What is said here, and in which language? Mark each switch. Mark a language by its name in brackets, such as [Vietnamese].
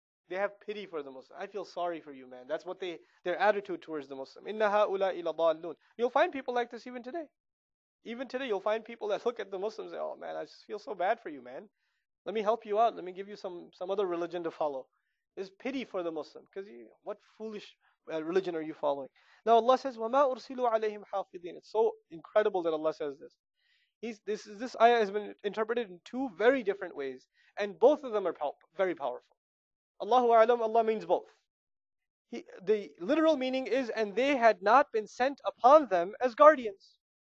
[English] They have pity for the Muslim. I feel sorry for you, man. That's what their attitude towards the Muslim. [Arabic] Inna ha'ula ila dallun. [English] You'll find people like this even today. Even today, you'll find people that look at the Muslims and say, oh man, I just feel so bad for you, man. Let me help you out. Let me give you some other religion to follow. There's pity for the Muslim. Because what foolish religion are you following? Now Allah says, [Arabic] وَمَا أُرْسِلُوا عَلَيْهِمْ حَافِظِينَ. [English] It's so incredible that Allah says this. This ayah has been interpreted in two very different ways. And both of them are very powerful. Allahu A'lam, Allah means both. The literal meaning is, and they had not been sent upon them as guardians.